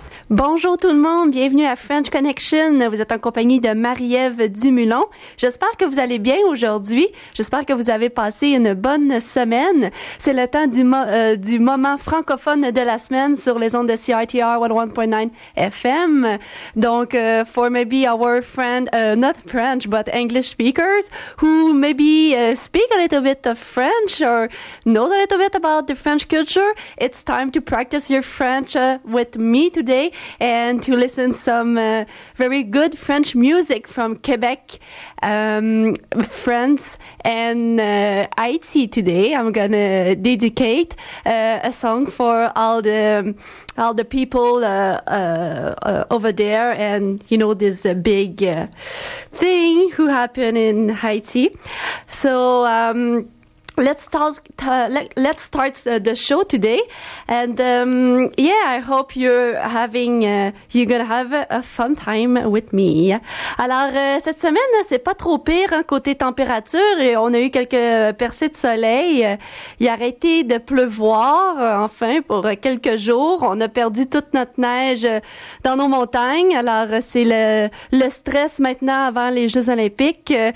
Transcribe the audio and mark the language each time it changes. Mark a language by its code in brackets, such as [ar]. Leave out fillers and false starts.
[fr] Bonjour tout le monde, bienvenue à French Connection. Vous êtes en compagnie de Marie-Ève Dumoulin. J'espère que vous allez bien aujourd'hui. J'espère que vous avez passé une bonne semaine. C'est le temps du moment francophone de la semaine sur les ondes de CITR 101.9 FM. Donc, [en] for maybe our friend, not French, but English speakers, who maybe speak a little bit of French or knows a little bit about the French culture, it's time to practice your French with me today. And to listen some very good French music from Quebec, France, and Haiti today. I'm gonna dedicate a song for all the people over there, and you know this big thing who happened in Haiti. So. Let's start the show today, and I hope you're gonna have a fun time with me. [fr] Alors cette semaine c'est pas trop pire hein, côté température, et on a eu quelques percées de soleil. Il a arrêté de pleuvoir enfin pour quelques jours. On a perdu toute notre neige dans nos montagnes. Alors c'est le stress maintenant avant les Jeux Olympiques.